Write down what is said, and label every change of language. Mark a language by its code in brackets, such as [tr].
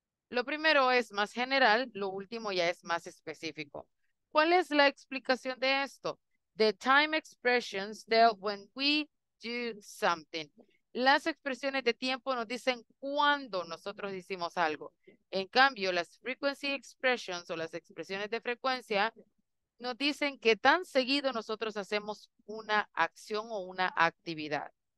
[es] Lo primero es más general, lo último ya es más específico. ¿Cuál es la explicación de esto? [en] The time expressions tell when we do something. [es] Las expresiones de tiempo nos dicen cuándo nosotros hicimos algo. En cambio, las frequency expressions o las expresiones de frecuencia nos dicen qué tan seguido nosotros hacemos una acción o una actividad.